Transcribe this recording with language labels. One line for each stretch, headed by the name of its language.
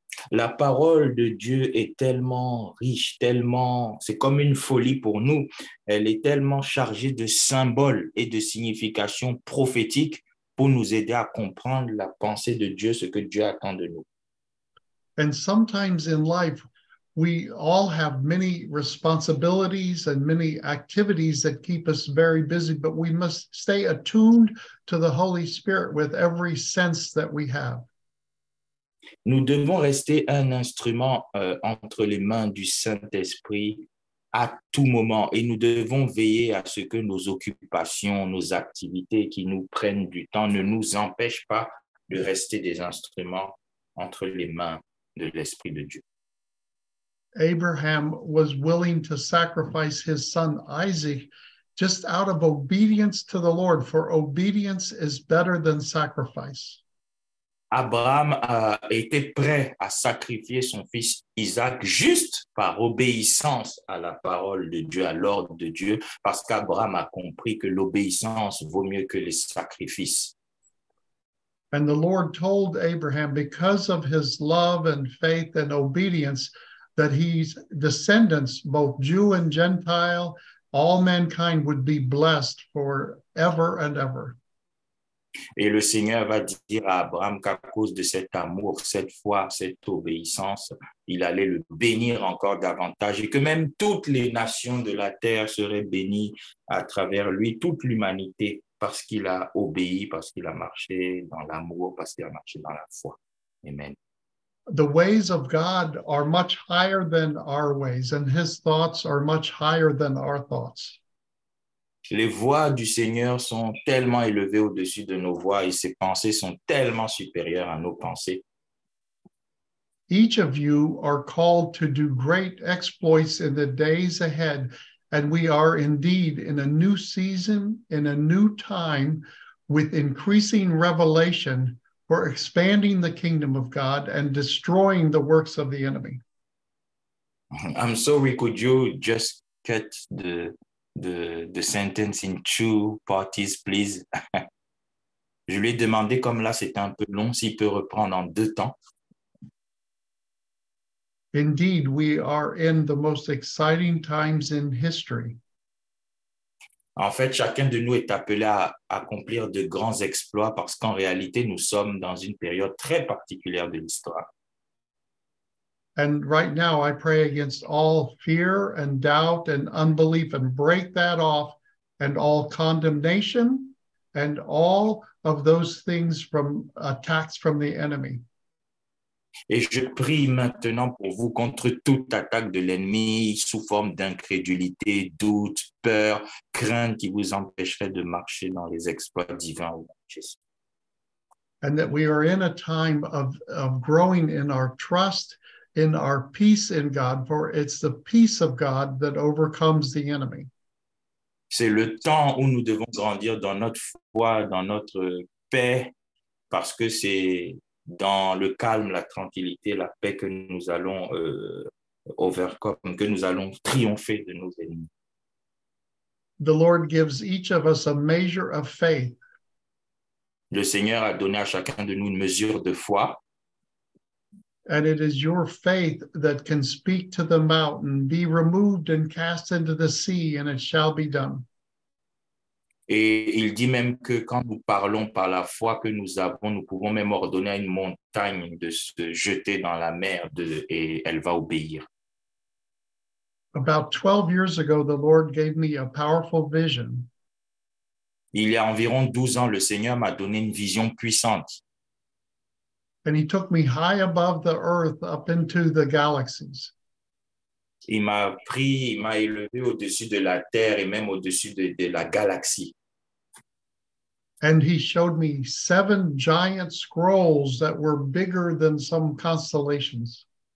French: La parole de Dieu est tellement riche, tellement, c'est comme une folie pour nous. Elle est tellement chargée de symboles et de significations prophétiques pour nous aider à comprendre la pensée de Dieu, ce que Dieu attend de nous.
English: And sometimes in life, we all have many responsibilities and many activities that keep us very busy, but we must stay attuned to the Holy Spirit with every sense that we have.
French: Nous devons rester un instrument entre les mains du Saint-Esprit à tout moment et nous devons veiller à ce que nos occupations, nos activités qui nous prennent du temps ne nous empêchent pas de rester des instruments entre les mains de l'Esprit de Dieu.
English: Abraham was willing to sacrifice his son Isaac just out of obedience to the Lord, for obedience is better than sacrifice.
French: Abraham a été prêt à sacrifier son fils Isaac juste par obéissance à la parole de Dieu, à l'ordre de Dieu, parce qu'Abraham a compris que l'obéissance vaut mieux que les sacrifices.
English: And the Lord told Abraham, because of his love and faith and obedience, that his descendants, both Jew and Gentile, all mankind would be blessed forever and ever.
French: Et le Seigneur va dire à Abraham qu'à cause de cet amour, cette foi, cette obéissance, il allait le bénir encore davantage et que même toutes les nations de la terre seraient bénies à travers lui, toute l'humanité, parce qu'il a obéi, parce qu'il a marché dans l'amour, parce qu'il a marché dans la foi. Amen.
English: The ways of God are much higher than our ways, and his thoughts are much higher than our thoughts.
French: Les voies du Seigneur sont tellement élevées au-dessus de nos voies et ses pensées sont tellement supérieures à nos pensées.
English: Each of you are called to do great exploits in the days ahead, and we are indeed in a new season, in a new time, with increasing revelation for expanding the kingdom of God and destroying the works of the enemy. I'm sorry, could you just cut the sentence in two parties, please?
French: Je lui ai demandé, comme là c'était un peu long, s'il peut reprendre en deux temps.
English: Indeed, we are in the most exciting times in history.
French: En fait, chacun de nous est appelé à accomplir de grands exploits parce qu'en réalité, nous sommes dans une période très particulière de l'histoire.
English: And right now, I pray against all fear and doubt and unbelief and break that off and all condemnation and all of those things from attacks from the enemy.
French: Et je prie maintenant pour vous contre toute attaque de l'ennemi sous forme d'incrédulité, doute, peur, crainte qui vous empêcherait de marcher dans les exploits divins.
English: And that we are in a time of growing in our trust, in our peace in God, for it's the peace of God that overcomes the enemy.
French: C'est le temps où nous devons grandir dans notre foi, dans notre paix, parce que c'est dans le calme, la tranquillité, la paix que nous allons overcome, que nous allons triompher de nos ennemis.
English: The Lord gives each of us a measure of faith.
French: Le Seigneur a donné à chacun de nous une mesure de foi.
English: And it is your faith that can speak to the mountain, be removed and cast into the sea, and it shall be done.
French: Et il dit même que quand nous parlons par la foi que nous avons, nous pouvons même ordonner à une montagne de se jeter dans la mer et elle va obéir.
English: About 12 years ago, the Lord gave me a powerful vision.
French: Il y a environ 12 ans, le Seigneur m'a donné une vision puissante.
English: And he took me high above the earth up into the galaxies.
French: Il m'a pris, il m'a élevé au-dessus de la terre et même au-dessus de la galaxie.
English: And he showed me seven giant scrolls that were bigger than some constellations.